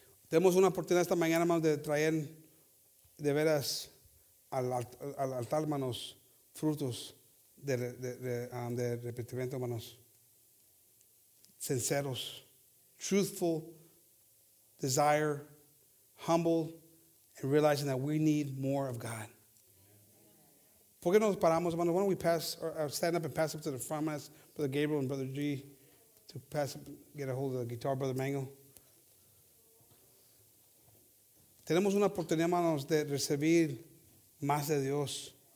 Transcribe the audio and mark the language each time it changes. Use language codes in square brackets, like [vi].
[es] Tenemos una oportunidad esta mañana, hermanos, de traer de veras al altar, hermanos, frutos de arrepentimiento, hermanos. [en] Sinceros, truthful, desire, humble, and realizing that we need more of God. [es] ¿Por qué nos paramos, hermanos? [en] Why don't we pass or stand up and pass up to the front, hermanos, Brother Gabriel and Brother G, to pass up, get a hold of the guitar, Brother Mango. [es] Tenemos una oportunidad, hermanos, de recibir más de Dios.